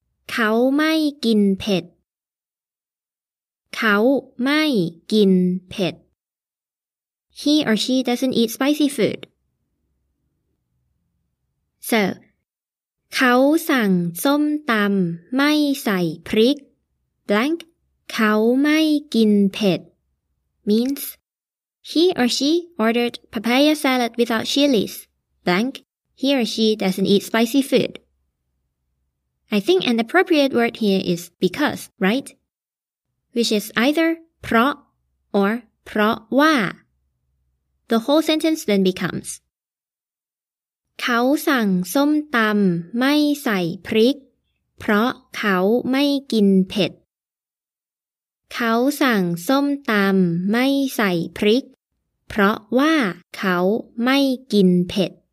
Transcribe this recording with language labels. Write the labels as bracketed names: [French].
[Thai] เขาไม่กินเผ็ด เขาไม่กินเผ็ด [English] He or she doesn't eat spicy food. So, [Thai] เขาสั่งส้มตำไม่ใส่พริก [English] blank [Thai] เขาไม่กินเผ็ด [English] means he or she ordered papaya salad without chilies blank he or she doesn't eat spicy food I think an appropriate word here is because right which is either เพราะ or เพราะว่า the whole sentence then becomes [Thai] เขาสั่งส้มตำไม่ใส่พริกเพราะเขาไม่กินเผ็ดเขาสั่งส้มตำไม่ใส่พริกเพราะว่าเขาไม่กินเผ็ด